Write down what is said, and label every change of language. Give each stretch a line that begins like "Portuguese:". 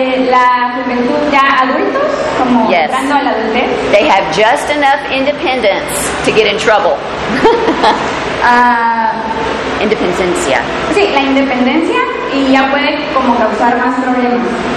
Spanish: La juventud ya adultos, como
English: yes.
Spanish: entrando a la adultez.
English: They have just enough independence to get in trouble.
Spanish: Independencia. Sí, la independencia y ya puede como causar más problemas.